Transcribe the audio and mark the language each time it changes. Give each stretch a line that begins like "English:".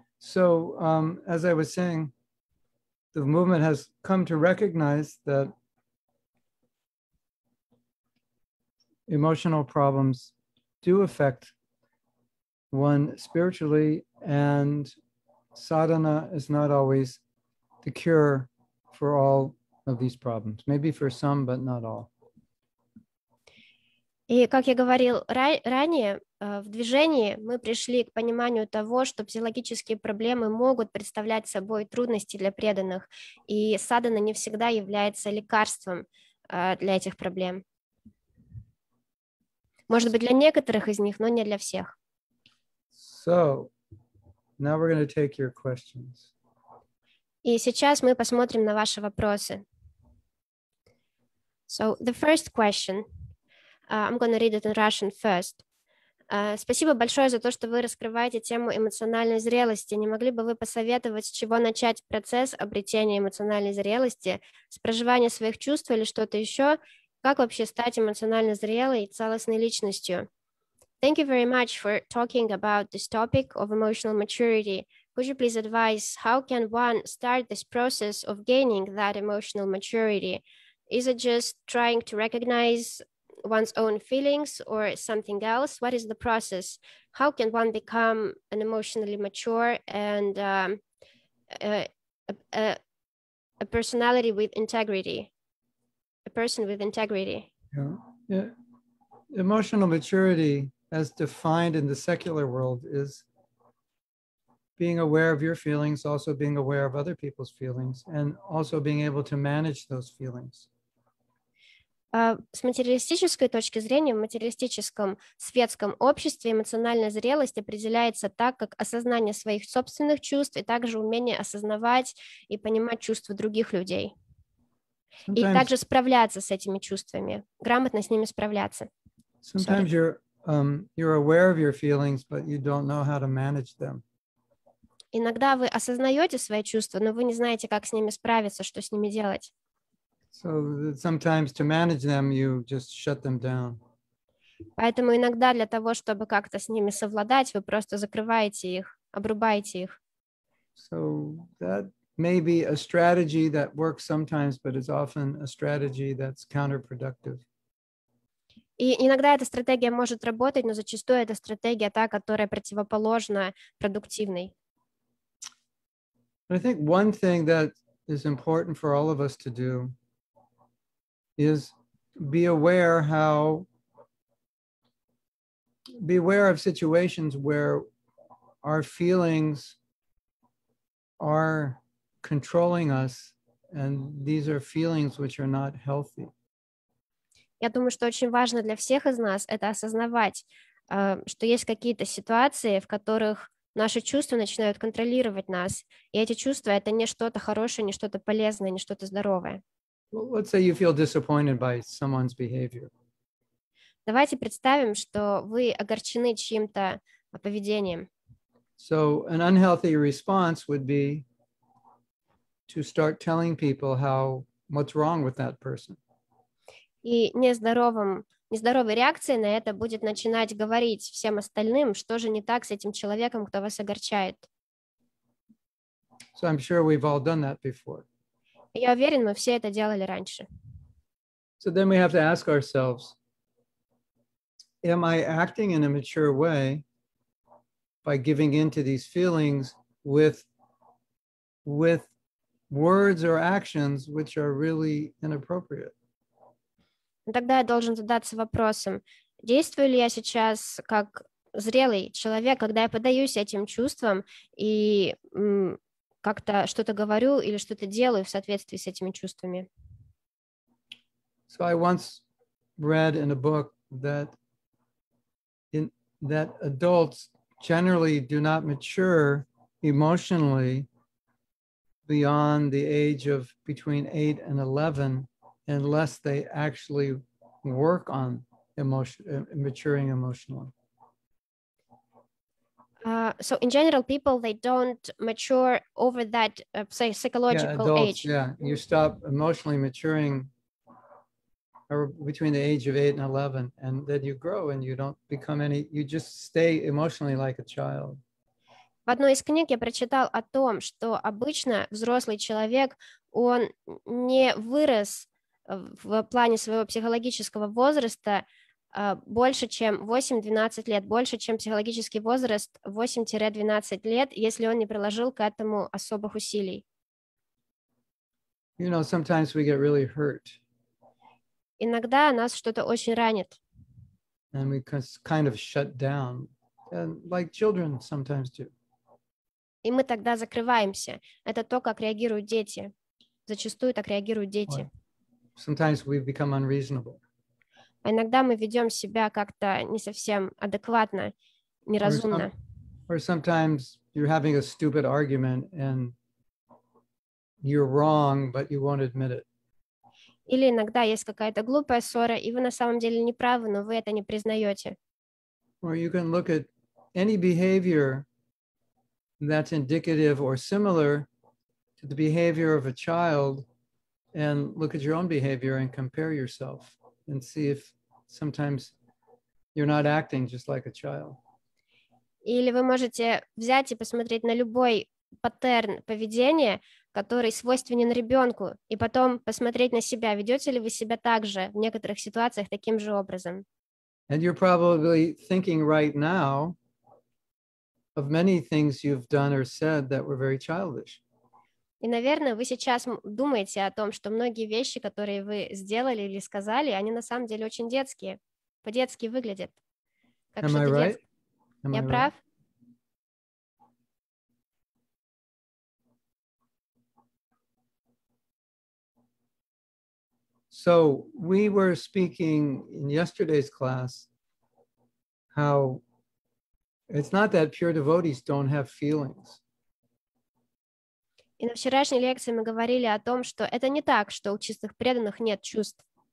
English: So, as I was saying, the movement has come to recognize that emotional problems do affect one spiritually, and sadhana is not always the cure for all of these problems. Maybe for some, but not all.
Russian: И как я говорил ранее, в движении мы пришли к пониманию того, что психологические проблемы могут представлять собой трудности для преданных, и садхана не всегда является лекарством для этих проблем. Может быть, для некоторых из них, но не для всех.
English: So, now we're going to take your questions.
Russian: И сейчас мы посмотрим на ваши вопросы.
English: So, the first question. I'm going to read it in Russian first.
Russian: Спасибо большое за то, что вы раскрываете тему эмоциональной зрелости. Не могли бы вы посоветовать, с чего начать процесс обретения эмоциональной зрелости, с проживания своих чувств или что-то еще? Как вообще стать эмоционально зрелой и целостной личностью?
English: Thank you very much for talking about this topic of emotional maturity. Could you please advise how can one start this process of gaining that emotional maturity? Is it just trying to recognize one's own feelings or something else? What is the process? How can one become an emotionally mature and a personality with integrity? A person with integrity. Yeah. Emotional maturity, as defined in the secular world, is being aware of your feelings, also being aware of other people's feelings, and also being able to manage those feelings.
Russian: с материалистической точки зрения, в материалистическом светском обществе эмоциональная зрелость определяется так, как осознание своих собственных чувств и также умение осознавать и понимать чувства других людей.
English: Sometimes,
Russian: и также справляться с этими чувствами, грамотно с ними справляться.
English: Sometimes you're aware of your feelings, but you don't know how to manage them.
Russian: Иногда вы осознаете свои чувства, но вы не знаете, как с ними справиться, что с ними делать.
English: So sometimes to manage them, you just shut them down.
Russian: Поэтому иногда для того, чтобы как-то с ними совладать, вы просто закрываете их, обрубаете их.
English: So that may be a strategy that works sometimes, but it's often a strategy that's counterproductive.
Russian: И иногда эта стратегия может работать, но зачастую эта стратегия та, которая противоположна продуктивной.
English: But I think one thing that is important for all of us to do is be aware of situations where our feelings are controlling us, and these are feelings which are not healthy.
Russian: Я думаю, что очень важно для всех из нас это осознавать, что есть какие-то ситуации, в которых наши чувства начинают контролировать нас, и эти чувства — это не что-то хорошее, не что-то полезное, не что-то здоровое.
English: Well, let's say you feel disappointed by someone's behavior.
Russian: Давайте представим, что вы огорчены чьим-то поведением.
English: So an unhealthy response would be to start telling people what's wrong with that person.
Russian: И нездоровой реакцией на это будет начинать говорить всем остальным, что же не так с этим человеком, кто вас огорчает.
English: So I'm sure we've all done that before.
Russian: Я уверен, мы все это делали раньше.
English: So then we have to ask ourselves, am I acting in a mature way by giving in to these feelings with words or actions which are really inappropriate?
Russian: Тогда я должен задаться вопросом, действую ли я сейчас как зрелый человек, когда я поддаюсь этим чувствам и как-то что-то говорю или что-то делаю в соответствии с этими чувствами.
English: So I once read in a book that adults generally do not mature emotionally beyond the age of between 8 and 11 unless they actually work on maturing emotionally. So in general, people, they don't mature over that, say, psychological adults, Yeah, you stop emotionally maturing between the age of 8 and 11, and then you grow and you don't become any, you just stay emotionally like a child.
Russian: В одной из книг я прочитал о том, что обычно взрослый человек, он не вырос в плане своего психологического возраста больше, чем 8-12 лет, больше, чем психологический возраст 8-12 лет, если он не приложил к этому особых усилий.
English: You know, sometimes we get really hurt.
Russian: Иногда нас что-то очень ранит.
English: And we kind of shut down, and like children sometimes do.
Russian: И мы тогда закрываемся. Это то, как реагируют дети. Зачастую так реагируют дети.
English: Sometimes we become unreasonable.
Russian: Иногда мы ведем себя как-то не совсем адекватно, неразумно.
English: Or sometimes you're having a stupid argument and you're wrong, but you won't admit it.
Russian: Или иногда есть какая-то глупая ссора, и вы на самом деле не правы, но вы это не признаете.
English: Or you can look at any behavior that's indicative or similar to the behavior of a child and look at your own behavior and compare yourself and see if sometimes you're not acting just like a child.
Russian: Или вы можете взять и посмотреть на любой паттерн поведения, который свойственен ребенку, и потом посмотреть на себя, ведете ли вы себя так же в некоторых ситуациях таким же образом.
English: And you're probably thinking right now of many things you've done or said that were very childish.
Russian: И, наверное, вы сейчас думаете о том, что многие вещи, которые вы сделали или сказали, они на самом деле очень детские, по-детски выглядят. Как
English: Am I right? Am
Russian: Я
English: I
Russian: прав?
English: Right? So So we were speaking in yesterday's class how it's not that pure devotees don't have feelings.
Russian: И на вчерашней лекции мы говорили о том, что это не так, что у чистых преданных нет чувств.